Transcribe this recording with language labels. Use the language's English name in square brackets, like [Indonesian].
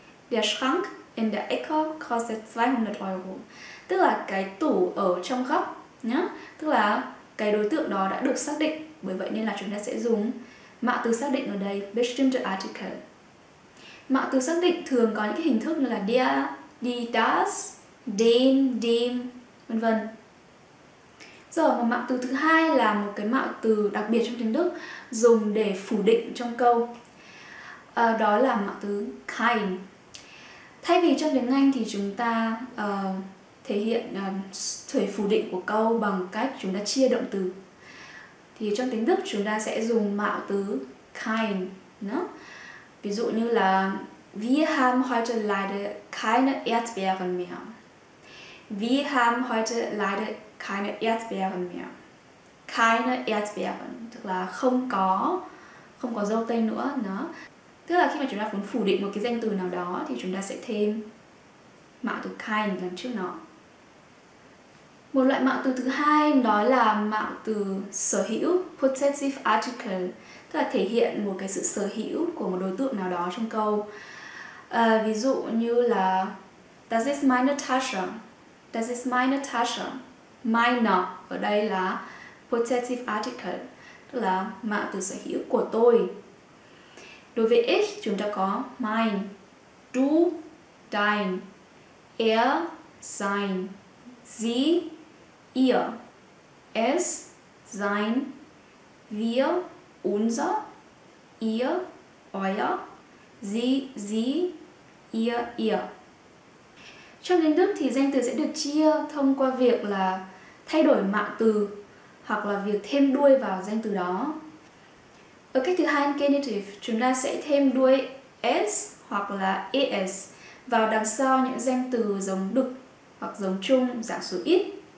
[German] Der Schrank in der Ecke kostet 200 Euro. [Vietnamese] Tức là cái tủ ở trong góc nhá. Tức là cái đối tượng đó đã được xác định. Bởi vậy nên là chúng ta sẽ dùng mạo từ xác định ở đây, bestimmte Artikel. Mạo từ xác định thường có những cái hình thức như là der, die, das, den, dem, vân vân. Rồi, một mạo từ thứ hai là một cái mạo từ đặc biệt trong tiếng Đức dùng để phủ định trong câu. Đó là mạo từ kein. Thay vì trong tiếng Anh thì chúng ta thể hiện thể phủ định của câu bằng cách chúng ta chia động từ. Thì trong tiếng Đức chúng ta sẽ dùng mạo từ kein. Đó. Ví dụ như là [German] wir haben heute leider keine Erdbeeren mehr. Wir haben heute leider keine Erdbeeren mehr. Keine Erdbeeren, [Vietnamese] tức là không có dâu tây nữa. Đó. Tức là khi mà chúng ta muốn phủ định một cái danh từ nào đó thì chúng ta sẽ thêm mạo từ kein lần trước nó. Một loại mạo từ thứ hai đó là mạo từ sở hữu, possessive article, tức là thể hiện một cái sự sở hữu của một đối tượng nào đó trong câu. Ví dụ như là [German] das ist meine Tasche. Das ist meine Tasche. [Vietnamese] Meine ở đây là possessive article, tức là mạo từ sở hữu của tôi. Đối với ich chúng ta có mein, du, dein, er, sein, sie, ihr, es, sein, wir, unser, ihr, euer, sie, ihr. Trong tiếng Đức thì danh từ sẽ được chia thông qua việc là thay đổi mạo từ hoặc là việc thêm đuôi vào danh từ đó. Ở cách thứ hai, genitive, chúng ta sẽ thêm đuôi s hoặc là es vào đằng sau những danh từ giống đực hoặc giống chung dạng số ít.